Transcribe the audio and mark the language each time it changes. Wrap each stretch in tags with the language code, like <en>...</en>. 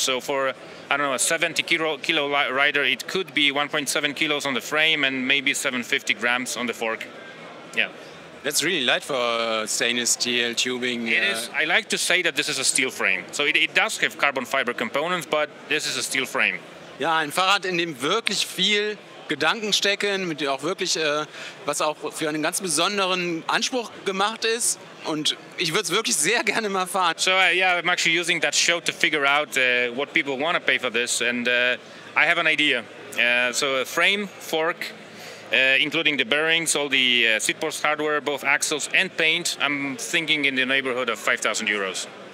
<en>So for, I don't know, a 70 kilo rider, it could be 1.7 kilos on the frame and maybe 750 grams on the fork. Yeah. That's really light for stainless steel tubing. It is. I like to say that this is a steel frame. So it does have carbon fiber components, but this is a steel frame.</en> <de>Ja, ein Fahrrad, in dem wirklich viel Gedanken stecken, mit auch wirklich, was auch für einen ganz besonderen Anspruch gemacht ist. Und ich würde es wirklich sehr gerne mal fahren.</de> <en>So, I'm actually using that show to figure out what people want to pay for this. And I have an idea. So a frame, fork, including the bearings, all the seat post hardware, both axles and paint, I'm thinking in the neighborhood of 5,000 euros.</en>